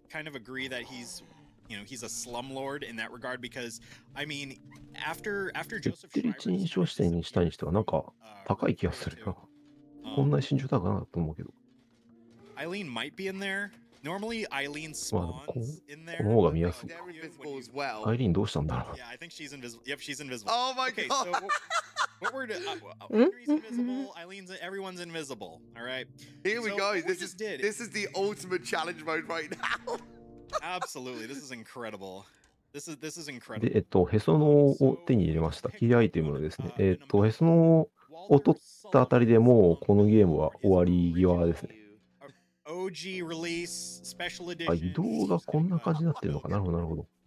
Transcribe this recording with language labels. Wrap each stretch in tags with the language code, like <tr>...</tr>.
<en>You know, he's a slumlord in that regard because, I mean, after Joseph Schreiber...</en> <ja>一人称視点にしたい人はなんか高い気がするな。こんな身長高いなと思うけど。</ja> <en>Eileen might be in there. Normally, Eileen spawns in there.</en> <ja>この方が見やすいか。Eileen どうしたんだろう。</ja> <en>Yeah, I think she's invisible. Yep, she's invisible. Oh my god! What were... Eileen's invisible. Everyone's invisible. All right. Here we go. This is the ultimate challenge mode right now. Absolutely. This is incredible. This is incredible.</en> <ja>で、へその緒を手に入れました。キーアイテムですね。へその緒を取ったあたりでもうこのゲームは終わり際ですね。</ja> <en>OG release special edition。</en> <ja>あ、移動がこんな感じになってるのか。なるほど、なるほど。</ja>